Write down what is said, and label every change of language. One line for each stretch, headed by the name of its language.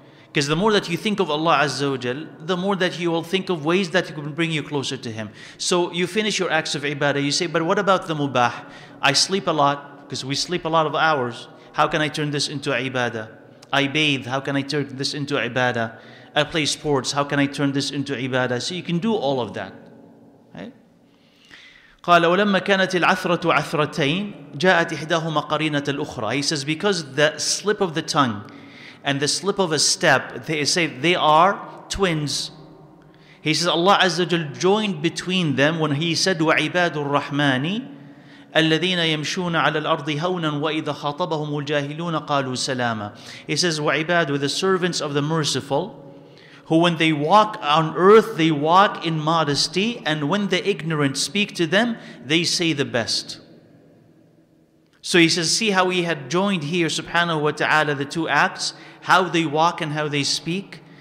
English: Because the more that you think of Allah Azza wa Jal, the more that you will think of ways that can bring you closer to Him. So you finish your acts of ibadah, you say, but what about the mubah? I sleep a lot, because we sleep a lot of hours. How can I turn this into ibadah? I bathe, how can I turn this into ibadah? I play sports, how can I turn this into ibadah? So you can do all of that.
Arabic: قال ولما كانت العثرة عثرتين جاءت إحداهما قرينة الأخرى.
English: He says, because the slip of the tongue and the slip of a step, they say they are twins. He says Allah Azza Jal joined between them when He said
Arabic: وعباد الرحمن الذين يمشون على الأرض هونا وإذا خاطبهم الجاهلون قالوا سلاما.
English: He says وعباد, with the servants of the merciful, who when they walk on earth, they walk in modesty, and when the ignorant speak to them, they say the best. So he says, see how he had joined here, subhanahu wa ta'ala, the two acts, how they walk and how they speak.